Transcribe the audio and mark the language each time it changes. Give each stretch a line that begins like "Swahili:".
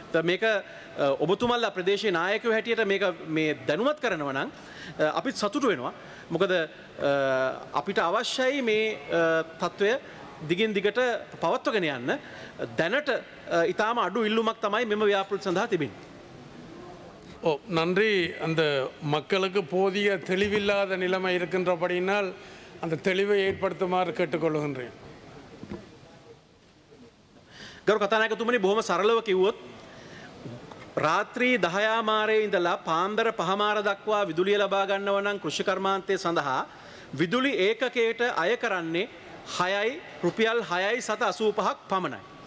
Sinhala: මේක ඔබතුමල්ලා ප්‍රදේශයේ නායකයෝ හැටියට මේක මේ දැනුවත් කරනවා නම් අපිත් සතුටු වෙනවා. මොකද අපිට අවශ්‍යයි මේ තත්ත්වය දිගින් දිගට පවත්වාගෙන යන්න. දැනට ඉතාම අඩු ඉල්ලුමක් තමයි මෙම ව්‍යාපෘති සඳහා තිබෙන්නේ. ඔව් නන්රි,
Tamil: அந்த மக்களுக்கு போதிய தெளிவில்லாத நிலைமை இருக்கின்றபடியால் அந்த தெளிவை ஏற்படுத்துமாறு கேட்டுக்கொள்கிறேன்.
Sinhala: ගරු කතානායකතුමනි බොහොම සරලව කිව්වොත් රාත්‍රී 10 මාරේ ඉඳලා පාන්දර 5 මාර දක්වා විදුලිය ලබා ගන්නව නම් කෘෂි කර්මාන්තය සඳහා විදුලි ඒකකයට අය කරන්නේ 6 රුපියල් 6.85ක් පමණයි.